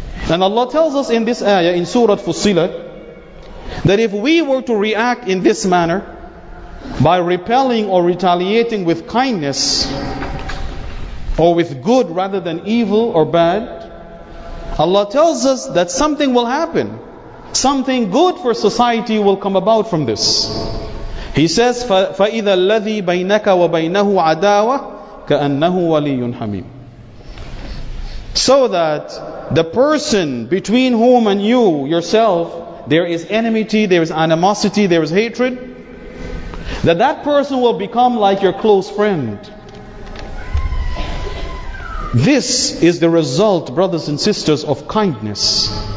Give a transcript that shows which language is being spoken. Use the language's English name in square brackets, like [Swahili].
[English] And Allah tells us in this ayah, in Surah Fussilat, that if we were to react in this manner, by repelling or retaliating with kindness, or with good rather than evil or bad, Allah tells us that something will happen. Something good for society will come about from this. He says, [Arabic] فَإِذَا الَّذِي بَيْنَكَ وَبَيْنَهُ عَدَاوَةً كَأَنَّهُ وَلِيٌّ حَمِيمٌ. [English] So that the person between whom and you, yourself, there is enmity, there is animosity, there is hatred, that person will become like your close friend. This is the result, brothers and sisters, of kindness.